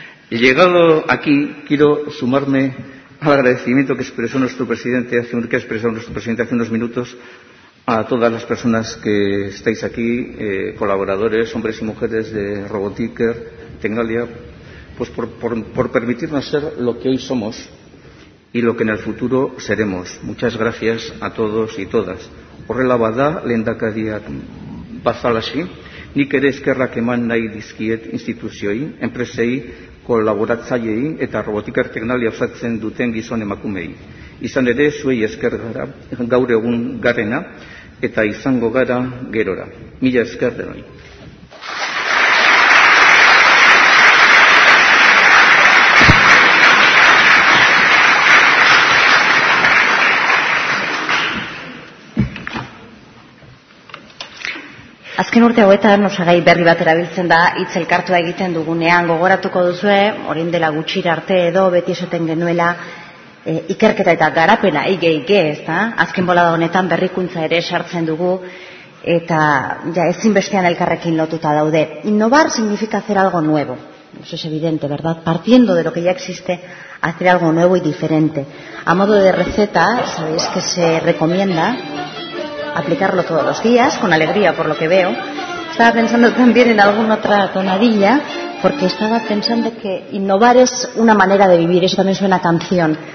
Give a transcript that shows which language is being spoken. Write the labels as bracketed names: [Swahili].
[Spanish] Llegado aquí, quiero sumarme al agradecimiento que expresó nuestro presidente hace unos minutos a todas las personas que estáis aquí, colaboradores, hombres y mujeres de Robotiker, Tecnalia, pues por permitirnos ser lo que hoy somos y lo que en el futuro seremos. Muchas gracias a todos y todas. [Basque] Horrela bada, lehendakariak bazalaxe, nik ere eskerrak eman nahi dizkiet instituzioei, enpresei, kolaboratzaileei eta Robotiker Tecnalia osatzen duten gizon emakumei. Izan ere, zuei esker gara, gaur egun garena, eta izango gara gerora. Mila esker denoi. Azken urte hauetan osagai berri bat erabiltzen da hitz elkartua egiten dugunean, gogoratuko duzue, orain dela gutxira arte edo beti esaten genuela ikerketa eta garapena ige, ez da? Azken bolada honetan berrikuntza ere sartzen dugu eta ja ezinbestean elkarrekin lotuta daude. [Spanish] Innovar significa hacer algo nuevo. Eso es evidente, ¿verdad? Partiendo de lo que ya existe, hacer algo nuevo y diferente. A modo de receta, sabéis que se recomienda aplicarlo todos los días, con alegría por lo que veo. Estaba pensando también en alguna otra tonadilla, porque estaba pensando que innovar es una manera de vivir, eso también suena a canción.